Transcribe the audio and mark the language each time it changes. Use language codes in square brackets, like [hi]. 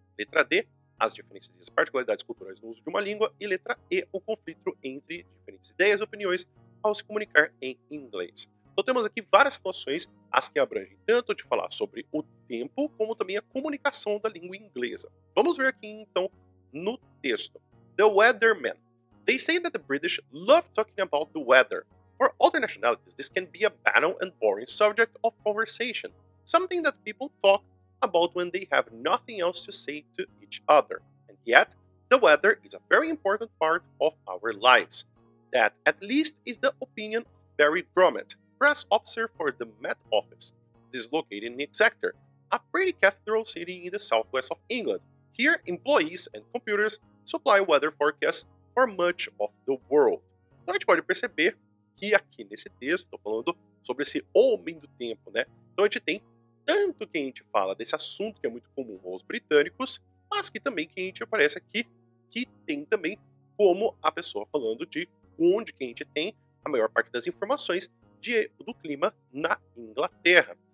[pt] Letra D, as diferenças e as particularidades culturais no uso de uma língua. E letra E, o conflito entre diferentes ideias e opiniões ao se comunicar em inglês. Então temos aqui várias situações, as que abrangem tanto de falar sobre o tempo, como também a comunicação da língua inglesa. Vamos ver aqui então, no texto. [en] The weatherman. They say that the British love talking about the weather. For other nationalities, this can be a banal and boring subject of conversation. Something that people talk about when they have nothing else to say to each other. And yet, the weather is a very important part of our lives. That, at least, is the opinion of Barry Gromit, press officer for the Met Office. This is located in Exeter, a pretty cathedral city in the southwest of England. Here, employees and computers supply weather forecasts for much of the world. [pt] Então, a gente pode perceber que aqui nesse texto, estou falando sobre esse homem do tempo, né? Então, a gente tem tanto que a gente fala desse assunto que é muito comum aos britânicos, mas que também que a gente aparece aqui, que tem também como a pessoa falando de onde que a gente tem a maior parte das informações do clima na Inglaterra.